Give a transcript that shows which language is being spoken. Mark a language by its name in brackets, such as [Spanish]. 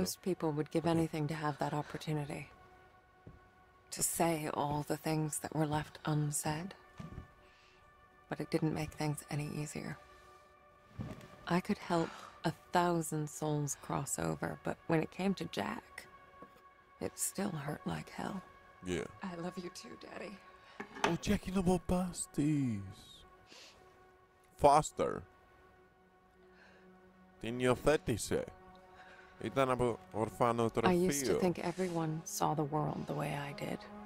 [English] Most people would give anything to have that opportunity. To say all the things that were left unsaid. But it didn't make things any easier. I could help 1,000 souls cross over, but when it came to Jack, it still hurt like hell. Yeah. I love you too, Daddy. [Greek] Oh, Jack, είναι από πάστης. Foster. Την υιοθέτησε. Ήταν από ορφανοτροφείο. [English] I used to think everyone saw the world the way I did.